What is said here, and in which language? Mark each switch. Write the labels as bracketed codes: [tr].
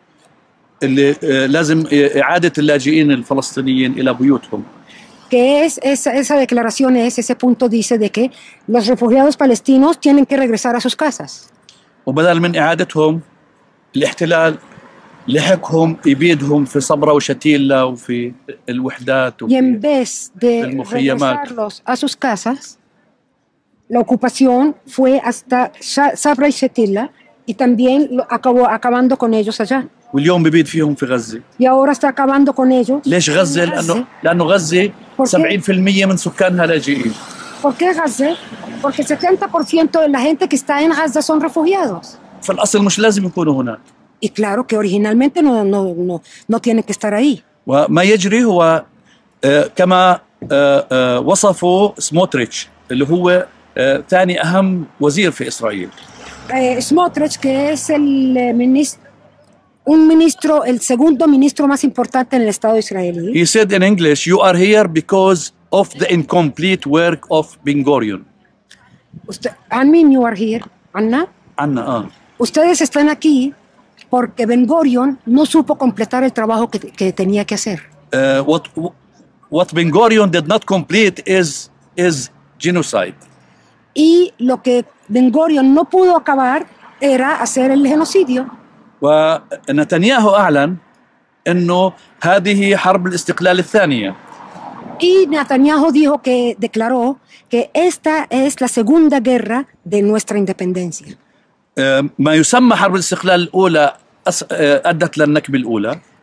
[ar] 194 اللي لازم إعادة اللاجئين الفلسطينيين إلى بيوتهم. [es] Que es esa declaración es ese punto dice de que los refugiados palestinos tienen que regresar a sus casas. [ar] وبدل من إعادتهم الاحتلال لحقهم يبيدهم في صبرا وشتيلا وفي الوحدات وفي المخيمات. [es] Regresarlos a sus casas. La ocupación fue hasta Sabra y Shatila y también acabó acabando con ellos allá. [ar] واليوم ببيد فيهم في غزة. [es] Y ahora está acabando con ellos. [ar] ليش غزة؟ لأنه غزة 70% من سكانها لاجئين. [es] ¿Por qué Gaza? Porque 70% de la gente que está en Gaza son refugiados. [ar] فالأصل مش لازم يكونوا هناك. [es] Y claro que originalmente no tienen que estar ahí. [ar] وما يجري هو كما وصفوا سموتريتش اللي هو ثاني أهم وزير في إسرائيل. [es] سموتريتش que es el ministro un ministro, el segundo ministro más importante en el Estado israelí. [en] He said in English, you are here because of the incomplete work of Ben-Gurion. Usted, I mean you are here, Anna. Anna, [es] Ustedes están aquí porque Ben-Gurion no supo completar el trabajo que tenía que hacer. [en] What Ben-Gurion did not complete is genocide. [es] Y lo que Ben-Gurion no pudo acabar era hacer el genocidio. [ar] ونتنياهو أعلن إنه هذه حرب الاستقلال الثانية. [es] Y Netanyahu dijo que declaró que esta es la segunda guerra de nuestra independencia. [ar] ما يسمى حرب الاستقلال الأولى أدت للنكبة الأولى.